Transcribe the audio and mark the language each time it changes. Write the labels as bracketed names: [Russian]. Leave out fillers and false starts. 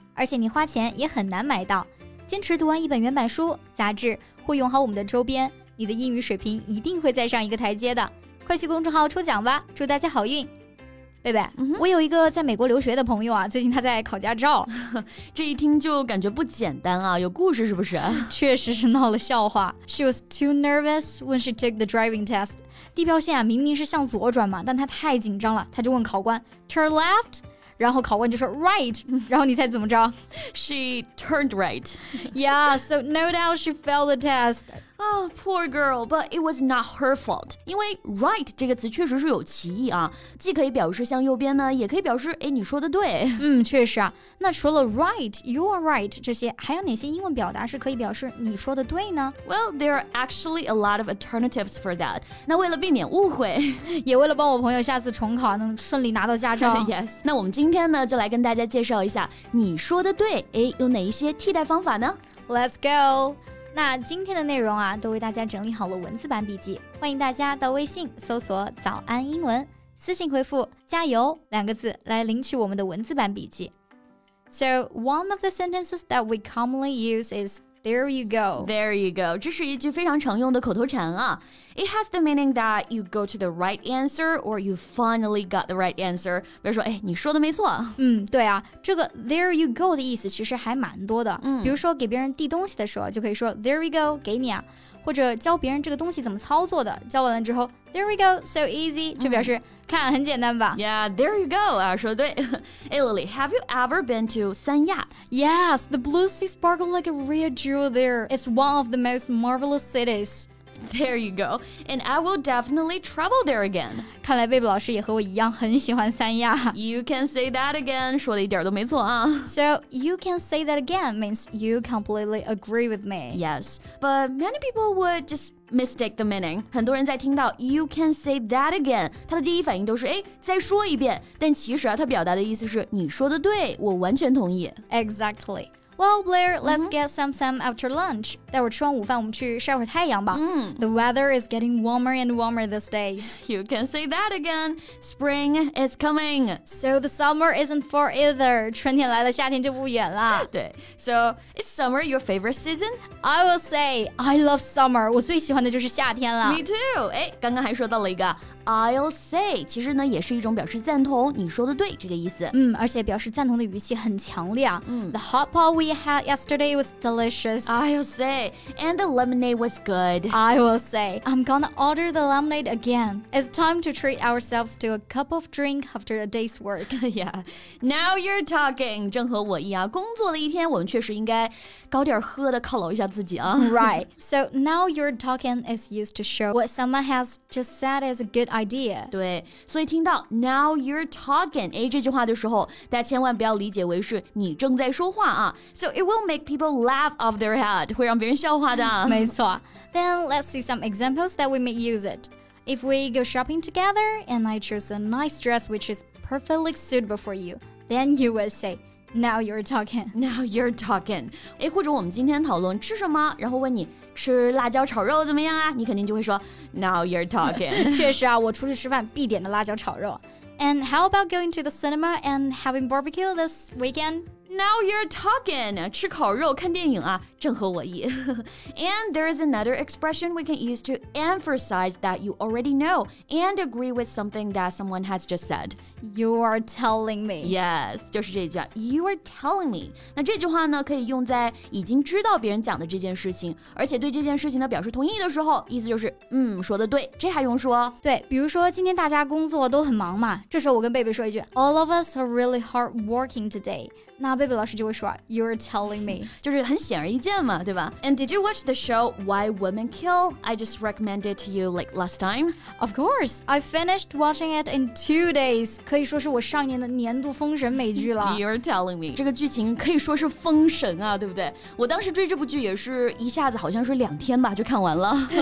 [Chinese] 而且你花钱也很难买到，坚持读完一本原版书、杂志，会用好我们的周边，你的英语水平一定会再上一个台阶的。快去公众号抽奖吧，祝大家好运！贝贝，我有一个在美国留学的朋友啊，最近他在考驾照，这一听就感觉不简单啊，有故事是不是？确实是闹了笑话。 [English] She was too nervous when she took the driving test. [Chinese] 地标线啊，明明是向左转嘛，但他太紧张了，他就问考官 ， [English] Turn left。 [Chinese] 然后考官就说 right, 然后你猜怎么着 [English] She turned right. Yeah, so no doubt she failed the test. Oh, poor girl, but it was not her fault. [Chinese] 因为 right 这个词确实是有歧义啊，既可以表示向右边呢，也可以表示哎，你说的对。确实啊。那除了 right, [English] you're right [Chinese] 这些，还有哪些英文表达是可以表示你说的对呢？ [English] Well, there are actually a lot of alternatives for that. [Chinese] 那为了避免误会，也为了帮我朋友下次重考能顺利拿到驾照。 [English] Yes. [Chinese] 那我们今天呢，就来跟大家介绍一下你说的对，哎，有哪一些替代方法呢？ [English] Let's go. [Chinese] 那今天的内容啊，都为大家整理好了文字版笔记，欢迎大家到微信搜索“早安英文”，私信回复“加油”两个字来领取我们的文字版笔记。 [English] So one of the sentences that we commonly use is "There you go." There you go. [Chinese] 这是一句非常常用的口头禅啊。 [English] It has the meaning that you go to the right answer or you finally got the right answer. [Chinese] 比如说，哎，你说的没错。对啊，这个 [English] "There you go" [Chinese] 的意思其实还蛮多的。比如说给别人递东西的时候，就可以说 [English] "There you go," [Chinese] 给你啊。或者教别人这个东西怎么操作的，教完了之后 [English] "There we go, so easy," [Chinese] 就表示、看很简单吧。 [English] Yeah, there you go. [Chinese] 啊，说的对。 [English] Hey, Lily, have you ever been to 三亚？ Yes, the blue sea sparkle like a real jewel there. It's one of the most marvelous cities. There you go, and I will definitely travel there again. [Chinese] 看来贝贝老师也和我一样很喜欢三亚。 [English] You can say that again. [Chinese] 说的一点都没错啊。 [English] So you can say that again means you completely agree with me. Yes, but many people would just. Mistake the meaning. [Chinese] 很多人在听到 [English] you can say that again, [Chinese] 他的第一反应都是哎，再说一遍。但其实啊，他表达的意思是你说的对，我完全同意。 [English] Exactly. Well, Blair, let's get some after lunch. [Chinese] 待会儿吃完午饭，我们去晒会儿太阳吧。 [English] The weather is getting warmer and warmer these days. You can say that again. Spring is coming. So the summer isn't far either. [Chinese] 春天来了，夏天就不远了。对。 [English] So is summer your favorite season? I will say I love summer. [Chinese] 我最喜欢的就是夏天了。 [English] Me too. [Chinese] 哎，刚刚还说到了一个 [English] I'll say. [Chinese] 其实呢，也是一种表示赞同，你说的对这个意思。而且表示赞同的语气很强烈啊。 [English] The hot pot we had yesterday was delicious. I'll say. And the lemonade was good. I will say. I'm gonna order the lemonade again. It's time to treat ourselves to a cup of drink after a day's work. Yeah. Now you're talking. [Chinese] 正和我一样，工作了一天，我们确实应该搞点喝的犒劳一下自己啊。 [English] Right. So now you're talking is used to show what someone has just said is a good idea. [Chinese] 对。所以听到 [English] now you're talking, [Chinese] 哎，这句话的时候，大家千万不要理解为是你正在说话啊。 [English] So it will make people laugh off their head, [Chinese] 会让别人笑话的。没错。 [English] Then let's see some examples that we may use it. If we go shopping together and I choose a nice dress which is perfectly suitable for you, then you will say, now you're talking. Now you're talking. [Chinese] 哎，或者我们今天讨论吃什么，然后问你吃辣椒炒肉怎么样啊？你肯定就会说 [English] now you're talking. [Chinese] 确实啊，我出去吃饭必点的辣椒炒肉。 [English] And how about going to the cinema and having barbecue this weekend? Now you're talking. [Chinese] 吃烤肉看电影啊，正合我意。 [English] And there is another expression we can use to emphasize that you already know and agree with something that someone has just said. You are telling me. Yes, [Chinese] 就是这句。 [English] You are telling me. [Chinese] 那这句话呢，可以用在已经知道别人讲的这件事情，而且对这件事情呢表示同意的时候，意思就是说的对。这还用说？对，比如说今天大家工作都很忙嘛，这时候我跟贝贝说一句 ， [English] All of us are really hardworking today. [Chinese] 那后贝贝老师就会说 [English] You're telling me [Chinese] 就是很显而易见嘛对吧 [English] And did you watch the show Why Women Kill? I just recommended to you like last time Of course I finished watching it in 2 days [Chinese] 可以说是我上年的年度封神美剧了 [English] You're telling me [Chinese] 这个剧情可以说是封神啊对不对我当时追这部剧也是一下子好像是两天吧就看完了